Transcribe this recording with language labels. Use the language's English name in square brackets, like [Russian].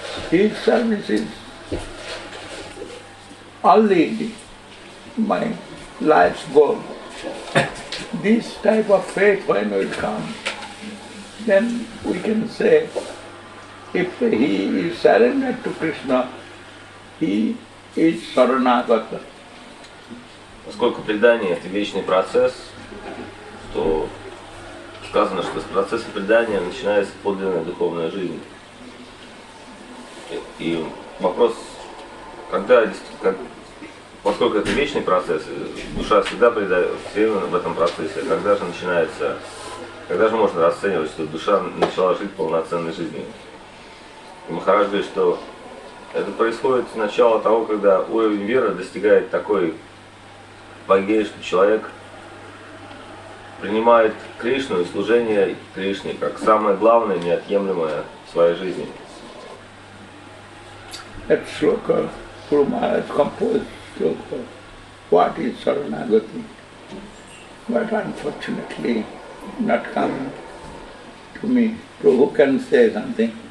[English] His service is only my life's goal. This type of faith, when it comes, then we can say, if he is surrendered to Krishna, he is Saranagata. [Russian] Поскольку предание – это вечный процесс, то сказано, что с процесса предания начинается подлинная духовная жизнь. И вопрос, когда, поскольку это вечный процесс, душа всегда предается в этом процессе, когда же начинается, когда же можно расценивать, что душа начала жить полноценной жизнью? И Махарадж говорит, что это происходит с начала того, когда уровень веры достигает такой богей, что человек принимает Кришну и служение Кришне как самое главное, неотъемлемое в своей жизни. [English] That shloka, Guru Maharaj composed shloka, what is Saranagati? But unfortunately, not come to me. Prabhu can say something.